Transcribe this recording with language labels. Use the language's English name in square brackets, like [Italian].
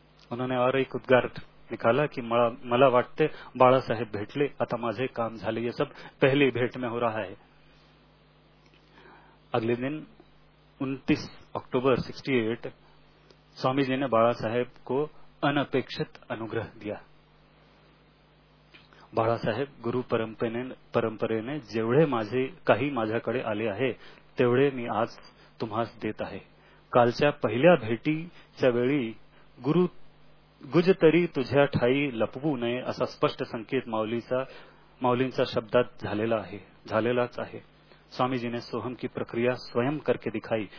[Hindi] उन्होंने और एक उद्गार निकाला कि [Marathi] मला वाटते बाळा साहेब भेटले आता माझे काम झाले, [Hindi] ये सब पहली भेट में हो रहा है। अगले दिन 29 अक्टूबर 1968 स्वामी जी ने बाळा साहेब को अनपेक्षित अनुग्रह दिया। [Marathi] बाळा साहेब गुरु परंपरेने जेवढे माझे काही माझ्याकडे आले आहे तेवढे मी आज तुम्हास देत आहे। कालच्या पहिल्या भेटीच्या वेळी गुरु गुजतरी तुझ्या ठाई लपवू नये असा स्पष्ट संकेत माऊलींचा शब्दात झालेलाच आहे। [Hindi] स्वामीजीने सोहम की प्रक्रिया स्वयं करके दिखाई।